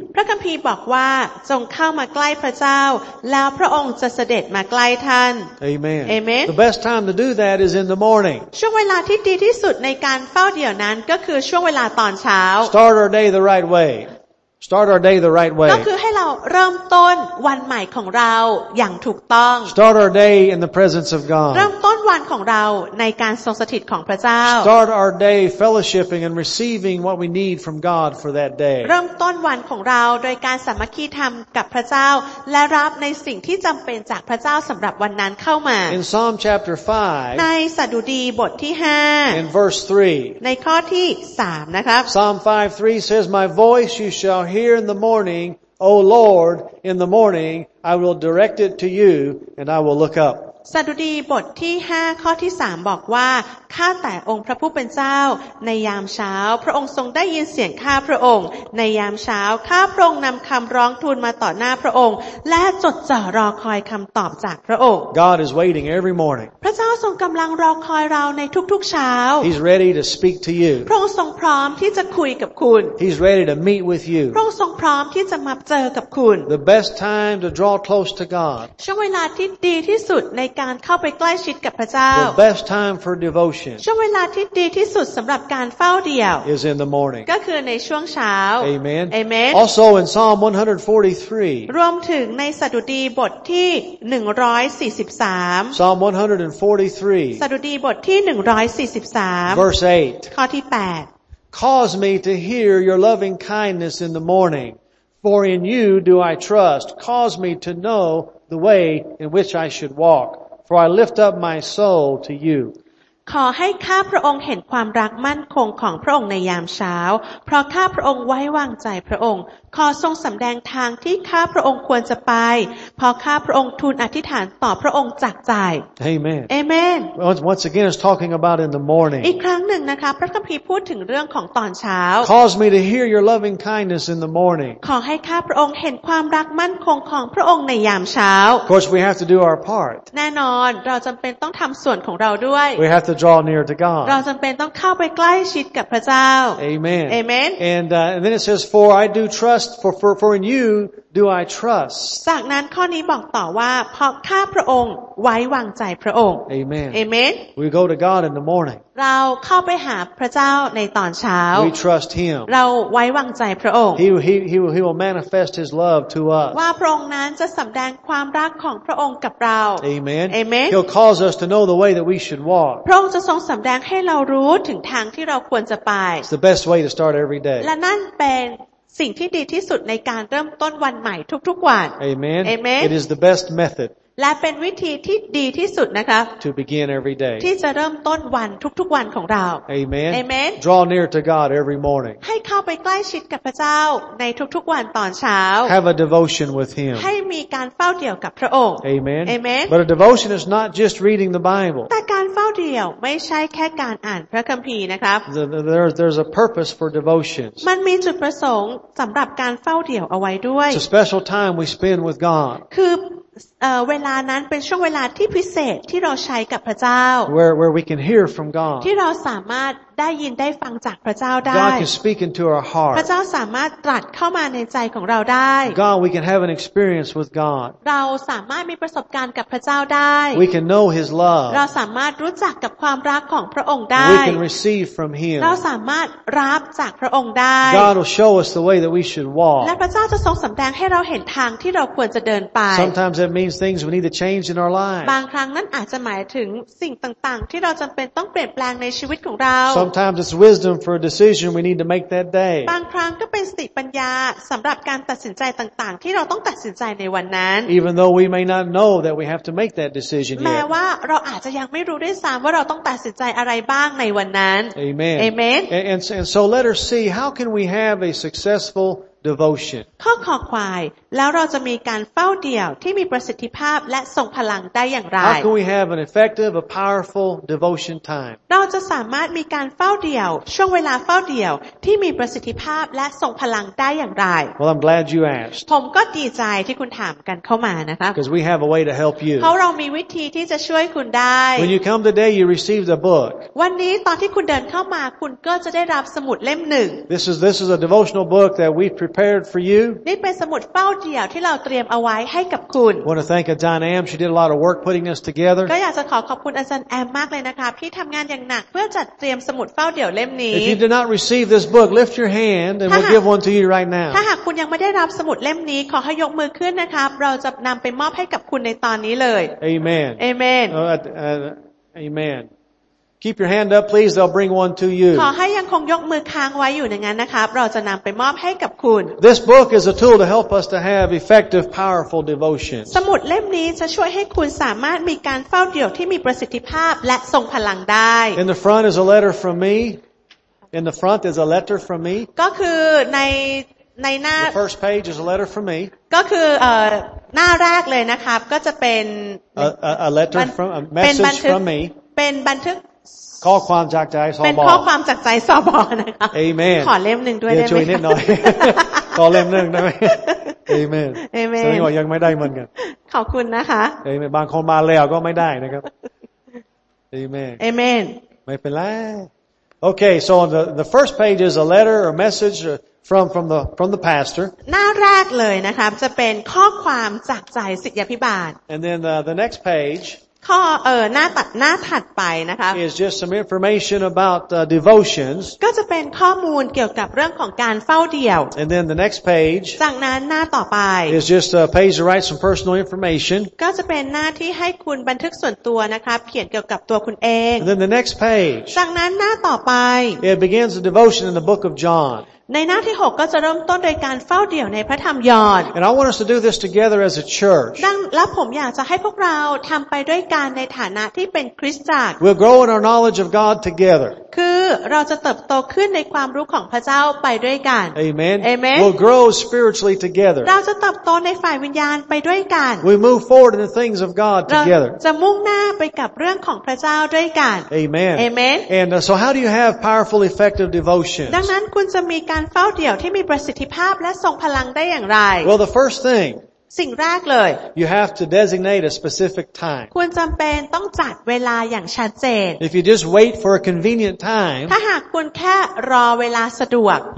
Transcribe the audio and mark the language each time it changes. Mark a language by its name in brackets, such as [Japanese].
[Thai] พระคัมภีร์บอกว่าจงเข้ามาใกล้พระเจ้าแล้วพระองค์จะเสด็จมาใกล้ท่าน [English] Amen. Amen. The best time to do that is in the morning. [Thai] ช่วงเวลาที่ดีที่สุดในการเฝ้าเดี่ยวนั้นก็คือช่วงเวลาตอนเช้า [English] Start our day the right way. Start our day the right way. [Thai] ก็คือให้เราเริ่มต้นวันใหม่ของเราอย่างถูกต้อง [English] Start our day in the presence of God. [Thai] เริ่มต้นวันของเราในการทรงสถิตของพระเจ้า [English] Start our day fellowshipping and receiving what we need from God for that day. [Thai] เริ่มต้นวันของเราโดยการสามัคคีธรรมกับพระเจ้าและรับในสิ่งที่จำเป็นจากพระเจ้าสำหรับวันนั้นเข้ามา [English] In Psalm chapter 5. [Thai] ในสดุดีบทที่5 [English] In verse 3. [Thai] ในข้อที่3นะครับ [English] Psalm 5:3 says, "My voice you shall hear." Here in the morning, O Lord, in the morning, I will direct it to you, and I will look up. [Thai] สดุดีบทที่5ข้อที่3บอกว่าข้าแต่องค์พระผู้เป็นเจ้าในยามเช้าพระองค์ทรงได้ยินเสียงข้าพระองค์ในยามเช้าข้าพระองค์นำคำร้องทูลมาต่อหน้าพระองค์และจดจ่อรอคอยคำตอบจากพระองค์ [English] God is waiting every morning [Thai] พระเจ้าทรงกำลังรอคอยเราในทุกๆเช้า [English] He's ready to speak to you [Thai] พระองค์ทรงพร้อมที่จะคุยกับคุณ [English] He's ready to meet with you [Thai] พระองค์ทรงพร้อมที่จะมาเจอกับคุณ [English] The best time to draw close to God [Thai] ช่วงเวลาที่ดีที่สุดในการเข้าไปใกล้ชิดกับพระเจ้า [English] The best time for devotion [Thai] ช่วงเวลาที่ดีที่สุดสำหรับการเฝ้าเดี่ยว [English] is in the morning [Thai] ก็คือในช่วงเช้า [English] Amen Amen Also in Psalm 143 [Thai] รวมถึงในสดุดีบทที่143 [English] Psalm 143 [Thai] สดุดีบทที่143 [English] Verse 8 [Thai] ข้อที่8 [English] Cause me to hear your loving kindness in the morning for in you do I trust cause me to know the way in which I should walkFor I lift up my soul to you. [Thai] ขอให้ข้าพระองค์เห็นความรักมั่นคงของพระองค์ในยามเช้าเพราะข้าพระองค์ไว้วางใจพระองค์ขอทรงสำแดงทางที่ข้าพระองค์ควรจะไปพอข้าพระองค์ทูลอธิษฐานต่อพระองค์จากใจ [English] Amen. Amen. Once again, it's talking about in the morning. [Thai] อีกครั้งหนึ่งนะคะพระคัมภีร์พูดถึงเรื่องของตอนเช้า [English] Cause me to hear your loving kindness in the morning. [Thai] ขอให้ข้าพระองค์เห็นความรักมั่นคงของพระองค์ในยามเช้า [English] Of course, we have to do our part. [Thai] แน่นอนเราจำเป็นต้องทำส่วนของเราด้วย [English] We have to draw near to God. [Thai] เราจำเป็นต้องเข้าไปใกล้ชิดกับพระเจ้า [English] Amen. Amen. And then it says, "For I do trust." trust for in you do I trust [Thai] จากนั้นข้อนี้บอกต่อว่าเพราะข้าพระองค์ไว้วางใจพระองค์ [English] Amen Amen We go to God in the morning [Thai] เราเข้าไปหาพระเจ้าในตอนเช้า [English] We trust him [Thai] เราไว้วางใจพระองค์ [English] He will manifest his love to us [Thai] ว่าพระองค์นั้นจะสําแดงความรักของพระองค์กับเรา [English] Amen Amen He'll cause us to know the way that we should walk [Thai] พระองค์จะทรงสําแดงให้เรารู้ถึงทางที่เราควรจะไป [English] It's the best way to start every day [Thai] และนั่นเป็นสิ่งที่ดีที่สุดในการเริ่มต้นวันใหม่ทุกๆวัน [English] Amen. Amen It is the best method [Thai] และเป็นวิธีที่ดีที่สุดนะคะ [English] To begin every day [Thai] ที่จะเริ่มต้นวันทุกๆวันของเรา [English] Amen Amen Draw near to God every morning [Thai] ให้เข้าไปใกล้ชิดกับพระเจ้าในทุกๆวันตอนเช้า [English] Have a devotion with him [Thai] ให้มีการเฝ้าเดี่ยวกับพระองค์ [English] Amen Amen But a devotion is not just reading the Bible [Thai] แต่การเฝ้าเดี่ยวไม่ใช่แค่การอ่านพระคัมภีร์นะครับ [English] There's a purpose for devotions [Thai] มันมีจุดประสงค์สําหรับการเฝ้าเดี่ยวเอาไว้ด้วย [English] It's a special time we spend with God [Thai] คือเวลานั้นเป็นช่วงเวลาที่พิเศษที่เราใช้กับพระเจ้า [English] where we can hear from God [Thai] ที่เราสามารถได้ยินได้ฟังจากพระเจ้าได้ [English] God can speak into our heart [Thai] พระเจ้าสามารถตรัสเข้ามาในใจของเราได้ [English] God we can have an experience with God [Thai] เราสามารถมีประสบการณ์กับพระเจ้าได้ [English] We can know his love [Thai] เราสามารถรู้จักกับความรักของพระองค์ได้ [English] We can receive from him [Thai] เราสามารถรับจากพระองค์ได้ [English] God will show us the way that we should walk [Thai] และพระเจ้าจะทรงสําแดงให้เราเห็นทางที่เราควรจะเดินไป [English] Sometimes it means things we need to change in our lives [Thai] บางครั้งนั้นอาจจะหมายถึงสิ่งต่างๆที่เราจําเป็นต้องเปลี่ยนแปลงในชีวิตของเรา [English] Sometimes it's wisdom for a decision we need to make that day. บางครั้งก็เป็นสติปัญญาสำหรับการตัดสินใจต่างๆที่เราต้องตัดสินใจในวันนั้น Even though we may not know that we have to make that decision yet. [Thai] แม้ว่าเราอาจจะยังไม่รู้ด้วยซ้ำว่าเราต้องตัดสินใจอะไรบ้างในวันนั้น [English] Amen. Amen. And so let us see how can we have a successful devotion. [Thai] ข้อขอควายแล้วเราจะมีการเฝ้าเดี่ยวที่มีประสิทธิภาพและทรงพลังได้อย่างไร [English] How can we have an effective, a powerful devotion time? [Thai] เราจะสามารถมีการเฝ้าเดี่ยวช่วงเวลาเฝ้าเดี่ยวที่มีประสิทธิภาพและทรงพลังได้อย่างไร [English] Well, I'm glad you asked. [Thai] ผมก็ดีใจที่คุณถามกันเข้ามานะคะ [English] Because we have a way to help you. [Thai] เพราะเรามีวิธีที่จะช่วยคุณได้ [English] When you come today, you receive the book. [Thai] วันนี้ตอนที่คุณเดินเข้ามาคุณก็จะได้รับสมุดเล่มหนึ่ง [English] This is a devotional book that we prepared for you. [Thai] นี่เป็นสมุดเฝ้าเดี่ยวที่เราเตรียมเอาไว้ให้กับคุณ [English] I want to thank Adana Am. She did a lot of work putting this together. [Thai] ก็อยากจะขอขอบคุณอาจารย์แอมมากเลยนะคะที่ทํางานอย่างหนักเพื่อจัดเตรียมสมุดเฝ้าเดี่ยวเล่มนี้ [English] If you did not receive this book, lift your hand and we'll give one to you right now. [Thai] ถ้าหากคุณยังไม่ได้รับสมุดเล่มนี้ขอให้ยกมือขึ้นนะครับเราจะนําไปมอบให้กับคุณในตอนนี้เลย [English] Amen. Amen. Amen. Keep your hand up, please. They'll bring one to you. [Thai] ขอให้ยังคงยกมือค้างไว้อยู่ในงั้นนะครับเราจะนำไปมอบให้กับคุณ [English] This book is a tool to help us to have effective, powerful devotions. [Thai] สมุดเล่มนี้จะช่วยให้คุณสามารถมีการเฝ้าเดี่ยวที่มีประสิทธิภาพและทรงพลังได้ [English] In the front is a letter from me. In the front is a letter from me. [Thai] ก็คือในหน้า [English] The first page is a letter from me. [Thai] ก็คือหน้าแรกเลยนะครับก็จะเป็น [English] A letter from a message from me. [Thai] เป็นบันทึก ข้อความจากใจซอบอ เป็นข้อความจากใจซอบอนะคะ เอเมน ขอเล่มนึงด้วยได้มั้ย ช่วยนิดหน่อยขอเล่มนึงได้มั้ยเอเมน เอเมน แสดงว่ายังไม่ได้เหมือนกัน ขอบคุณนะคะ เอเมนบางคนมาแล้วก็ไม่ได้นะครับเอเมน เอเมน ไม่เป็นไรโอเค [English] so the first page is a letter or message from the pastor [Thai] หน้าแรกเลยนะครับจะเป็นข้อความจากใจศิษยภิบาล [English] and then the next page [Thai] ข้อหน้าถัดไปนะคะ [English] is just some information about devotions [Thai] ก็จะเป็นข้อมูลเกี่ยวกับเรื่องของการเฝ้าเดี่ยว [English] and then the next page [Thai] จากนั้นหน้าต่อไป [English] is just a page to write some personal information [Thai] ก็จะเป็นหน้าที่ให้คุณบันทึกส่วนตัวนะคะเขียนเกี่ยวกับตัวคุณเอง [English] and then the next page [Thai] จากนั้นหน้าต่อไป [English] it begins a devotion in the book of John [Thai] ในหน้าที่6ก็จะเริ่มต้นโดยการเฝ้าเดี่ยวในพระธรรมยอห์น [English] And I want us to do this together as a church. [Thai] ดังนั้นผมอยากจะให้พวกเราทําไปด้วยกันในฐานะที่เป็นคริสตจักร [English] We'll grow in our knowledge of God together. [Thai] คือเราจะเติบโตขึ้นในความรู้ของพระเจ้าไปด้วยกัน [English] Amen. Amen. We'll grow spiritually together. [Thai] เราจะเติบโตในฝ่ายวิญญาณไปด้วยกัน [English] We move forward in the things of God together. [Thai] เราจะมุ่งหน้าไปกับเรื่องของพระเจ้าด้วยกัน [English] Amen. Amen. And so how do you have powerful effective devotions? [Thai] ดังนั้นคุณจะมีการเฝ้าเดี่ยวที่มีประสิทธิภาพและทรงพลังได้อย่างไร [English] Well the first thing [Thai] สิ่งแรกเลย [English] You have to designate a specific time [Thai] ควรจําเป็นต้องจัดเวลาอย่างชัดเจน [English] If you just wait for a convenient time [Thai] ถ้าหากคุณแค่รอเวลาสะดวก